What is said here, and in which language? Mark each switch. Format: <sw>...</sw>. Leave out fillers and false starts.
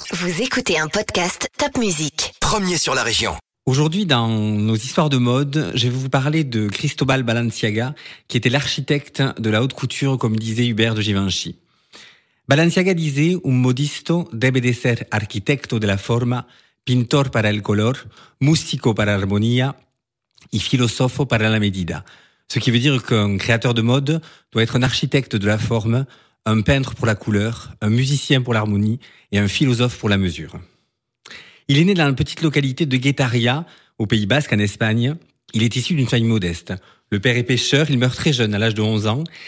<fr>Vous écoutez un podcast Top Music. Premier sur la région. Aujourd'hui, dans nos histoires de mode, je vais vous parler de Cristobal Balenciaga, qui était l'architecte de la haute couture, comme disait Hubert de Givenchy. Balenciaga disait</fr> <es>« Un modisto debe de ser arquitecto de la forma, pintor para el color, músico para l'armonía y filosofo para la medida ».</es> <fr>Ce qui veut dire qu'un créateur de mode doit être un architecte de la forme, un peintre pour la couleur, un musicien pour l'harmonie et un philosophe pour la mesure. Il est né dans la petite localité de Guetaria, au Pays Basque, en Espagne. Il est issu d'une famille modeste. Le père est pêcheur, il meurt très jeune, à l'âge de 11 ans.</fr>